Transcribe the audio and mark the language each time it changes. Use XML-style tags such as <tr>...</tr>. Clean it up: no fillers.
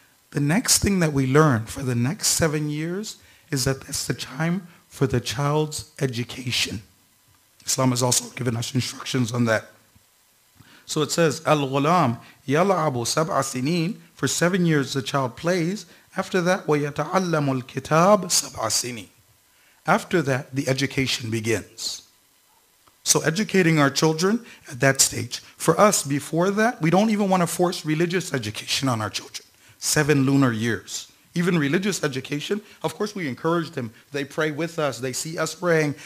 <en>The next thing that we learn for the next 7 years is that it's the time for the child's education. Islam has also given us instructions on that. So it says,</en> <ar>Al-Ghulam yala'abu sab'a sinin.</ar> <en>For 7 years the child plays. After that,</en> <ar>وَيَتَعَلَّمُ الْكِتَابُ سَبْعَ سِنِينَ.</ar> <en>After that, the education begins. So educating our children at that stage. For us, before that, we don't even want to force religious education on our children. 7 lunar years. Even religious education, of course we encourage them. They pray with us. They see us praying.</en>